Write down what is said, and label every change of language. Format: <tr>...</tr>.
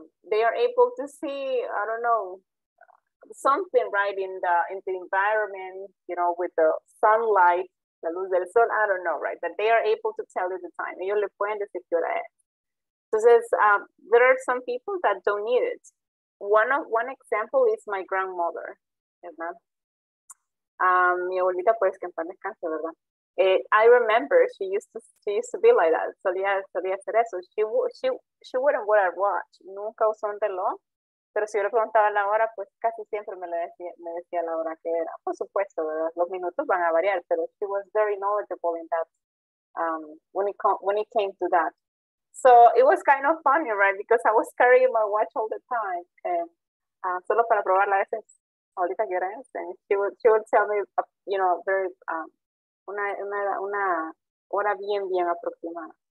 <en>they are able to see, I don't know, something right in the environment, you know, with the sunlight,</en> <es>la luz del sol,</es> <en>I don't know, right? But they are able to tell you the time.</en> <es>Ellos le pueden decir qué hora es. Entonces,</es> <en>there are some people that don't need it. One example is my grandmother,</en> <es>¿verdad? Mi abuelita, pues, que en paz descanse, ¿verdad?</es> <en>I remember she used to be like that.</en> <es>Solía hacer eso.</es> <en>She wouldn't wear a watch.</en> <es>Nunca usó un reloj. Pero si yo le preguntaba la hora, pues casi siempre me decía la hora que era. Por supuesto, ¿verdad? Los minutos van a variar, pero</es> <en>she was very knowledgeable in that when it came to that. So it was kind of funny, right? Because I was carrying my watch all the time.</en> <es>Solo para probarla a veces. Ahorita que era ese.</es> <en>She would tell me, you know, very</en> <es>una hora bien, bien aproximada.</es>